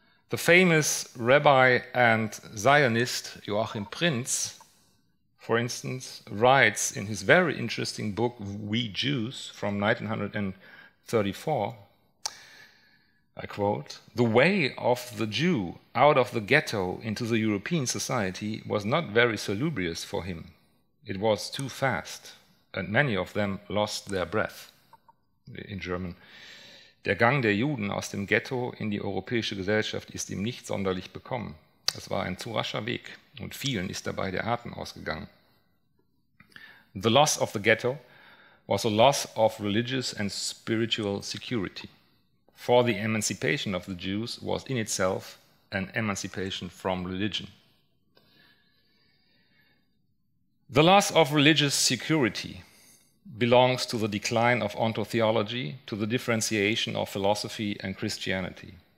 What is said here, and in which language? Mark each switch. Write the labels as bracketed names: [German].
[English] The famous rabbi and Zionist Joachim Prinz, for instance, writes in his very interesting book, We Jews, from 1934, I quote, "The way of the Jew out of the ghetto into the European society was not very salubrious for him. It was too fast, and many of them lost their breath." [German] In German, "Der Gang der Juden aus dem Ghetto in die europäische Gesellschaft ist ihm nicht sonderlich bekommen. Es war ein zu rascher Weg und vielen ist dabei der Atem ausgegangen." [English] The loss of the ghetto was a loss of religious and spiritual security. For the emancipation of the Jews was in itself an emancipation from religion. The loss of religious security belongs to the decline of ontotheology, to the differentiation of philosophy and Christianity.